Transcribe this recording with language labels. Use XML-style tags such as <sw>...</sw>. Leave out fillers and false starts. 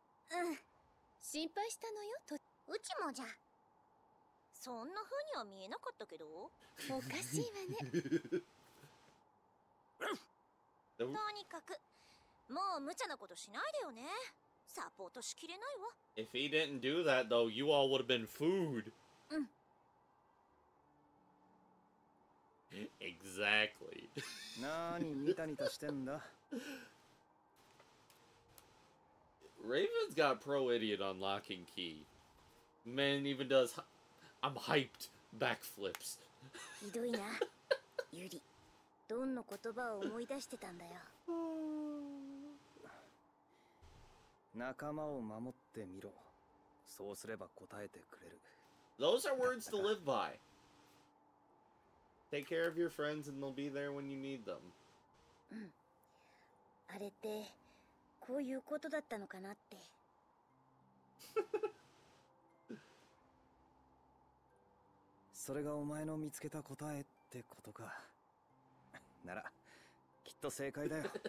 <ja>うん、心配したのよ、と。うちもじゃ。そんな風には見えなかったけど。おかしいわね。とにかく、もう無茶なことしないでよね。サポートしきれないわ。</ja> <en>If he didn't do that, though, you all would have been food.</en> <ja>うん。</ja> <en>Exactly.</en> <ja>何ニタニタしてんだ。</ja> <en>Raven's got pro idiot on lock and key. Man even does. I'm hyped. Backflips.</en> <ja>ひどいな。ユリ、どんな言葉を思い出してたんだよ。仲間を守ってみろ。そうすれば答えてくれる。</ja> <en>Those are words to live by. Take care of your friends and they'll be there when you need them.</en> <ja>うん。あれって、こういうことだったのかなって。それがお前の見つけた答えってことか。なら、きっと正解だよ。</ja>